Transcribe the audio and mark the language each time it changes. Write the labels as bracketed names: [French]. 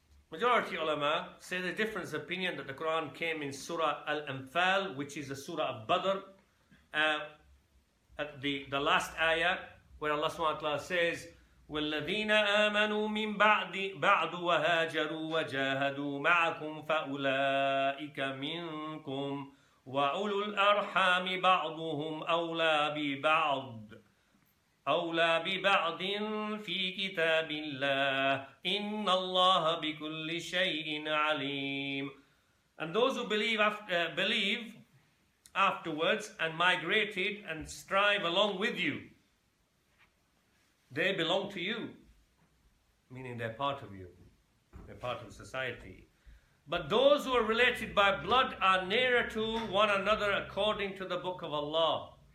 [English] Majority ulama say the difference of opinion that the Quran came in Surah Al-Anfal, which is the Surah of Badr, at the last ayah, where Allah subhanahu wa ta'ala says, [Arabic] وَالَّذِينَ آمَنُوا مِن بَعْدُ وَهَاجَرُوا وَجَاهَدُوا مَعَكُمْ فَأُولَٰئِكَ مِنْكُمْ وَأُولُو الْأَرْحَامِ بَعْضُهُمْ أَوْلَى بِبَعْضٍ. أولى ببعض في كتاب الله إن الله بكل شيء عليم. [English] And those who believe believe afterwards and migrated and strive along with you, they belong to you, meaning they're part of you, they're part of society. But those who are related by blood are nearer to one another according to the book of Allah.